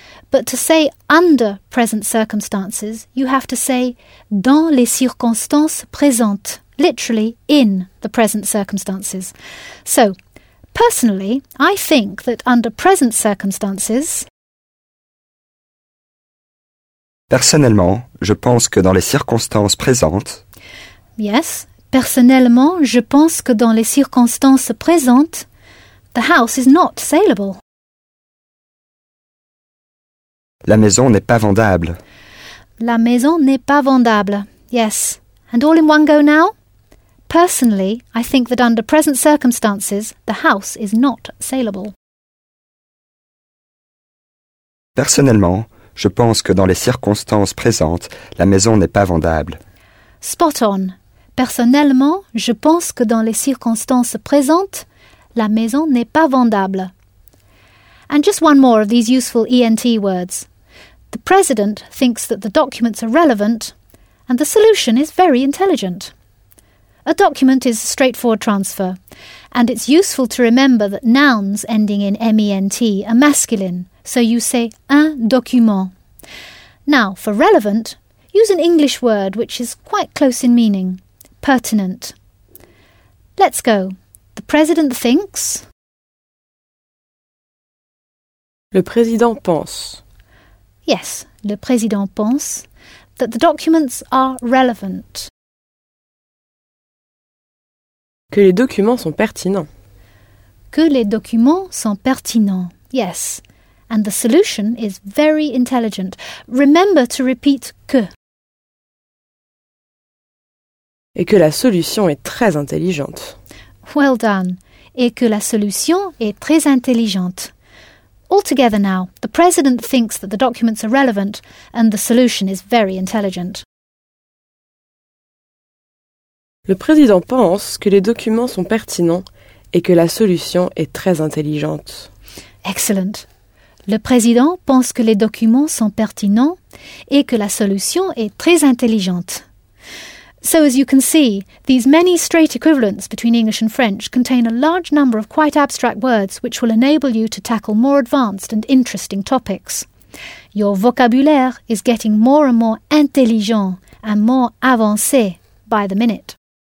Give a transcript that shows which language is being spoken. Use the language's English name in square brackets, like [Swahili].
[English] But to say under present circumstances, you have to say [French] dans les circonstances présentes, [English] literally in the present circumstances. So, personally, I think that under present circumstances... [French] Personnellement, je pense que dans les circonstances présentes... Yes, personnellement, je pense que dans les circonstances présentes, [English] the house is not saleable. [French] La maison n'est pas vendable. La maison n'est pas vendable. [English] Yes. And all in one go now? Personally, I think that under present circumstances, the house is not saleable. [French] Personnellement, je pense que dans les circonstances présentes, la maison n'est pas vendable. [English] Spot on. [French] Personnellement, je pense que dans les circonstances présentes, la maison n'est pas vendable. [English] And just one more of these useful ENT words. The president thinks that the documents are relevant and the solution is very intelligent. A document is a straightforward transfer, and it's useful to remember that nouns ending in M-E-N-T are masculine, so you say un document. Now, for relevant, use an English word which is quite close in meaning. Pertinent. Let's go. The president thinks. [French] Le président pense. [English] Yes, [French] le président pense [English] that the documents are relevant. [French] Que les documents sont pertinents. Que les documents sont pertinents. [English] Yes, and the solution is very intelligent. Remember to repeat que. [French] Et que la solution est très intelligente. [English] Well done. [French] Et que la solution est très intelligente. [English] All together now, the president thinks that the documents are relevant and the solution is very intelligent. [French] Le président pense que les documents sont pertinents et que la solution est très intelligente. [English] Excellent. [French] Le président pense que les documents sont pertinents et que la solution est très intelligente. [English] So as you can see, these many straight equivalents between English and French contain a large number of quite abstract words which will enable you to tackle more advanced and interesting topics. Your vocabulaire is getting more and more intelligent and more avancé by the minute.